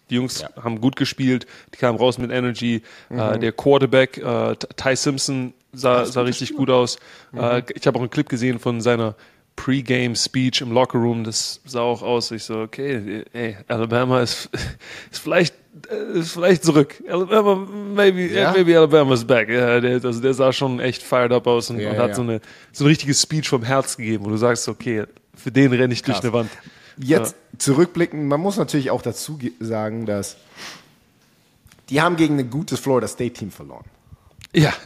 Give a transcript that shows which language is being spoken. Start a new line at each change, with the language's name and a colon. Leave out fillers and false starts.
German: Die Jungs haben gut gespielt. Die kamen raus mit Energy. Der Quarterback, Ty Simpson, sah richtig Spieler. Gut aus. Ich habe auch einen Clip gesehen von seiner Pre-Game-Speech im Locker-Room. Das sah auch aus. Ich so, okay, ey, Alabama ist vielleicht zurück.
English: Alabama, maybe Alabama's back.
German: Ja, der sah schon echt fired up aus und hat so eine richtige Speech vom Herz gegeben, wo du sagst, okay, für den renne ich durch eine Wand. Jetzt zurückblicken, man muss natürlich auch dazu sagen, dass die haben gegen ein gutes Florida State Team verloren. Ja.